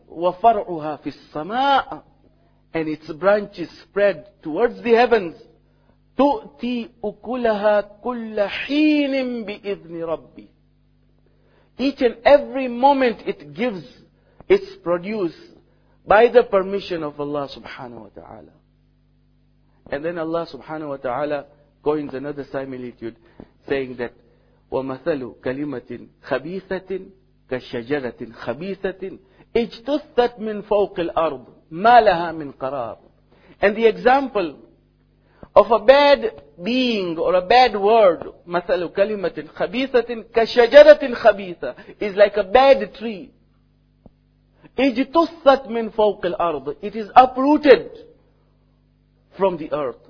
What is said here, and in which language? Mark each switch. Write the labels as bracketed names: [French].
[Arabic] وَفَرْعُهَا فِي السَّمَاءِ, [English] and its branches spread towards the heavens. [Arabic] تُؤْتِي أُكُلَهَا كُلَّ حِينٍ بِإِذْنِ رَبِّي. [English] Each and every moment it gives its produce by the permission of Allah subhanahu wa ta'ala. And then Allah subhanahu wa ta'ala coins another similitude saying that [Arabic] وَمَثَلُ كَلِمَةٍ خَبِيثَةٍ كَشَجَرَةٍ خَبِيثَةٍ اجْتُثَّتْ مِنْ فَوْقِ الْأَرْضِ مَا لَهَا مِنْ قَرَارٍ. [English] And the example of a bad being or a bad word, [Arabic] مَثَلُ كَلِمَةٍ خَبِيثَةٍ كَشَجَرَةٍ خَبِيثَةٍ, [English] is like a bad tree. [Arabic] اِجْتُثَّتْ مِنْ فَوْقِ الْأَرْضِ, [English] it is uprooted from the earth.